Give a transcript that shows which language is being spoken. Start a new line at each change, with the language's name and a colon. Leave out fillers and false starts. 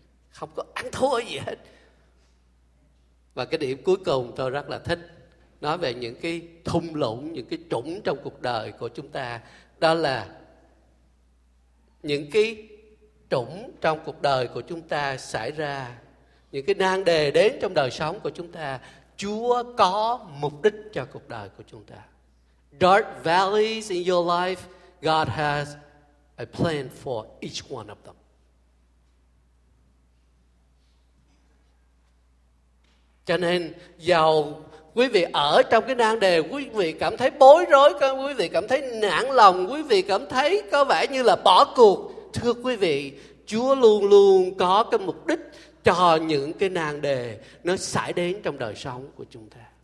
Vietnamese: Không có ăn thua gì hết. Và cái điểm cuối cùng tôi rất là thích, nói về những cái thung lũng, những cái trũng trong cuộc đời của chúng ta. Đó là những cái trũng trong cuộc đời của chúng ta xảy ra, những cái nan đề đến trong đời sống của chúng ta, Chúa có mục đích cho cuộc đời của chúng ta.
English: Dark valleys in your life, God has a plan for each one of them.
Vietnamese: Cho nên, dầu quý vị ở trong cái nan đề, quý vị cảm thấy bối rối, quý vị cảm thấy nản lòng, quý vị cảm thấy có vẻ như là bỏ cuộc, thưa quý vị, Chúa luôn luôn có cái mục đích cho những cái nan đề nó xảy đến trong đời sống của chúng ta.